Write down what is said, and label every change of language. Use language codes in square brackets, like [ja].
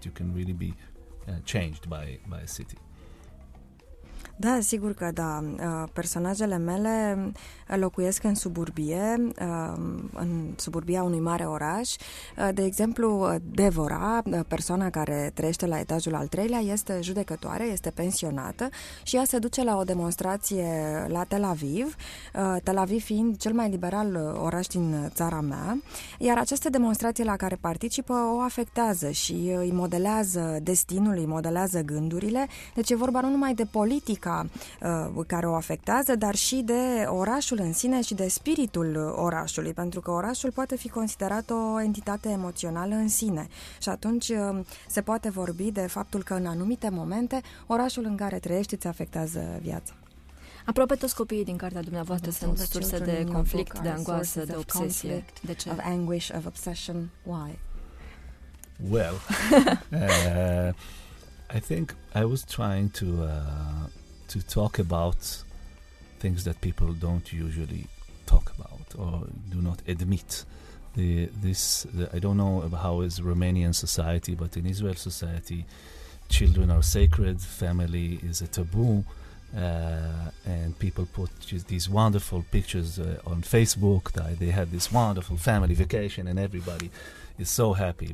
[en] You can really be changed by a city. [ro] Da, sigur că da. Personajele mele locuiesc în suburbie, în suburbia unui mare oraș. De exemplu, Devorah, persoana care trăiește la etajul al treilea, este judecătoare, este pensionată și ea se duce la o demonstrație la Tel Aviv, Tel Aviv fiind cel mai liberal oraș din țara mea, iar aceste demonstrații la care participă o afectează și îi modelează destinul, îi modelează gândurile. Deci e vorba nu numai de politică, care o afectează, dar și de orașul în sine și de spiritul orașului, pentru că orașul poate fi considerat o entitate emoțională în sine. Și atunci se poate vorbi de faptul că în anumite momente orașul în care trăiești îți afectează viața. Aproape toți copiii din cartea dumneavoastră sunt surse de conflict, de angoasă, de obsesie. De ce? [en] Of anguish, of obsession. Why? Well, I think I was trying to talk about things that people don't usually talk about or do not admit. I don't know how is Romanian society, but in Israel society, children are sacred, family is a taboo, and people put these wonderful pictures on Facebook that they had this wonderful family vacation and everybody is so happy.